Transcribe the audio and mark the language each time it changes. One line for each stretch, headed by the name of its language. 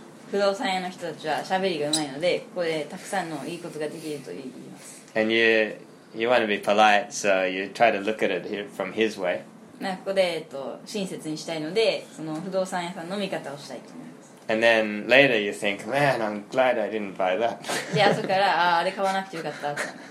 Japanese: 不動産屋の人たちは喋りが上手いので、ここでたくさんのいいことができると言います。
English: And you want to be polite, so you try to look at it from his way.
Japanese: ここで親切にしたいので、その不動産屋さんの見方をしたいと思います。
English: And then later you think, man, I'm glad I didn't buy that.
Japanese: で、あそこから、あれ買わなくてよかったと。